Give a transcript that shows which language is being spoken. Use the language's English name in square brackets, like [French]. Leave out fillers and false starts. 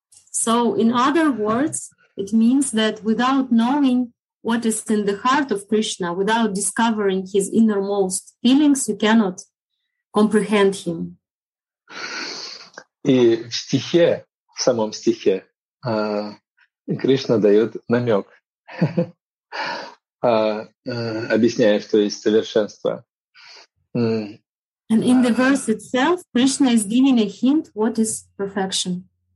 [English] So, in other words, it means that without knowing what is in the heart of Krishna, without discovering his innermost feelings, you cannot comprehend him. [Russian] И в стихе, в самом стихе, Кришна дает намек, объясняя, что есть совершенство. [English] And in the verse itself, Krishna is giving a hint what is perfection.